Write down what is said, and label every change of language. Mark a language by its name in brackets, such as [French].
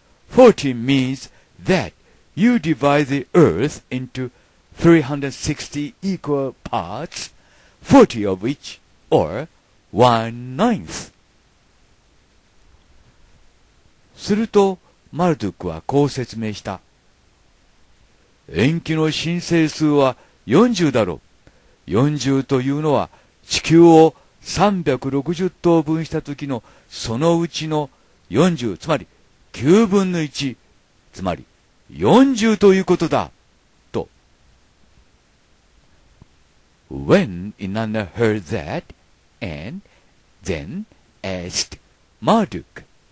[English] 40 means that you divide the earth into 360 equal parts, 40 of which, or 1/9th. [Japanese] すると、マルドゥクはこう説明した。 Enki の神聖数は40だろう。 40というのは地球を360等分したときのそのうちの40、つまり9分の1、つまり40ということだ、と。 [English] When Inanna heard that, and then asked Marduk,